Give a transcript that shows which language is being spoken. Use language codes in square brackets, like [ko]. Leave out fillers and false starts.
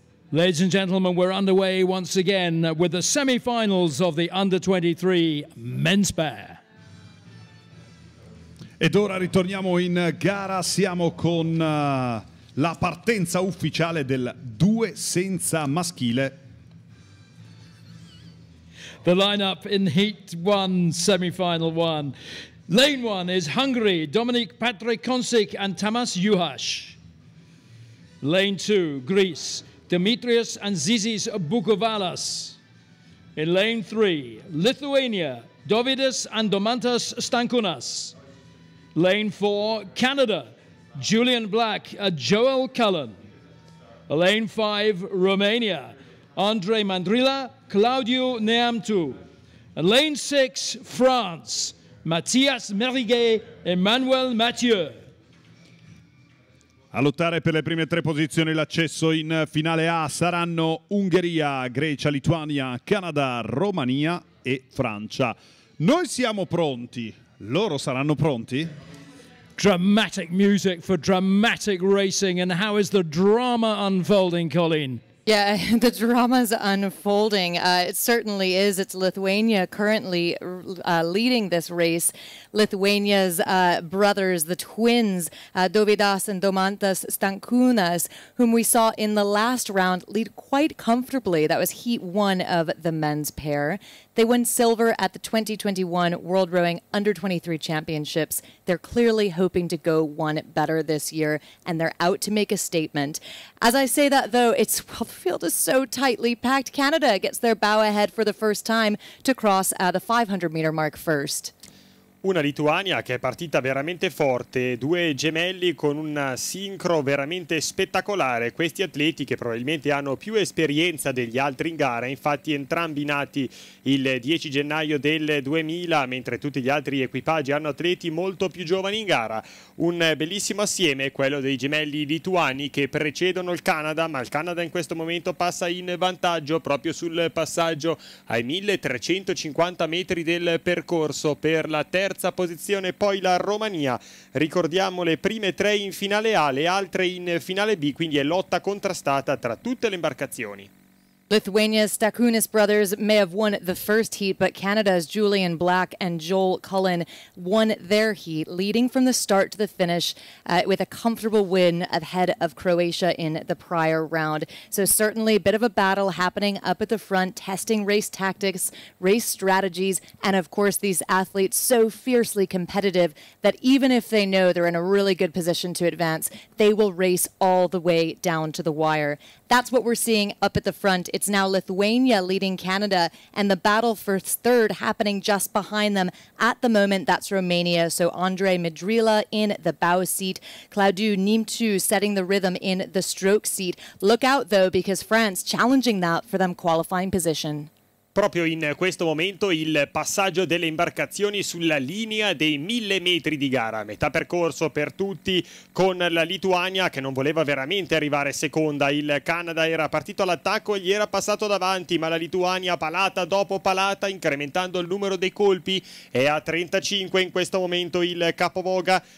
[en] Ladies and gentlemen, we're underway once again with the semi-finals of the U23 men's pair. [it] Ed ora ritorniamo in gara, siamo con la partenza ufficiale del due senza maschile. [en] The lineup in heat one, semi-final one. Lane one is Hungary, Dominik Patrick-Konsik and Tamás Juhász. Lane two, Greece, Dimitrios and Zizis Bukovalas. In lane three, Lithuania, Dovydas and Domantas Stankunas. Lane four, Canada, Julian Black and Joel Cullen. Lane five, Romania, Andrei Mandrila, Claudiu Neamtu. And lane six, France, Mathias Meriguet, Emmanuel Mathieu. [it] A lottare per le prime tre posizioni l'accesso in finale A saranno Ungheria, Grecia, Lituania, Canada, Romania e Francia. Noi siamo pronti, loro saranno pronti? [en] Dramatic music for dramatic racing, and how is the drama unfolding, Colleen? Yeah, the drama's unfolding. It certainly is. It's Lithuania currently leading this race. Lithuania's brothers, the twins, Dovydas and Domantas Stankunas, whom we saw in the last round lead quite comfortably. That was heat one of the men's pair. They won silver at the 2021 World Rowing U23 Championships. They're clearly hoping to go one better this year, and they're out to make a statement. As I say that, though, the field is so tightly packed. Canada gets their bow ahead for the first time to cross the 500-meter mark first. [it] Una Lituania che è partita veramente forte, due gemelli con un sincro veramente spettacolare. Questi atleti che probabilmente hanno più esperienza degli altri in gara, infatti entrambi nati il 10 gennaio del 2000, mentre tutti gli altri equipaggi hanno atleti molto più giovani in gara. Un bellissimo assieme quello dei gemelli lituani che precedono il Canada, ma il Canada in questo momento passa in vantaggio proprio sul passaggio ai 1350 metri del percorso per la terza posizione, poi la Romania. Ricordiamo le prime tre in finale A, le altre in finale B, quindi è lotta contrastata tra tutte le imbarcazioni. [en] Lithuania's Stakunis brothers may have won the first heat, but Canada's Julian Black and Joel Cullen won their heat, leading from the start to the finish with a comfortable win ahead of Croatia in the prior round. So certainly a bit of a battle happening up at the front, testing race tactics, race strategies, and of course these athletes so fiercely competitive that even if they know they're in a really good position to advance, they will race all the way down to the wire. That's what we're seeing up at the front. It's now Lithuania leading Canada and the battle for third happening just behind them. At the moment, that's Romania. So Andre Midrila in the bow seat. Claudiu Nimtu setting the rhythm in the stroke seat. Look out, though, because France challenging that for them qualifying position. [it] Proprio in questo momento il passaggio delle imbarcazioni sulla linea dei 1000 metri di gara, metà percorso per tutti con la Lituania che non voleva veramente arrivare seconda, il Canada era partito all'attacco e gli era passato davanti, ma la Lituania palata dopo palata incrementando il numero dei colpi è a 35 in questo momento il capovoga.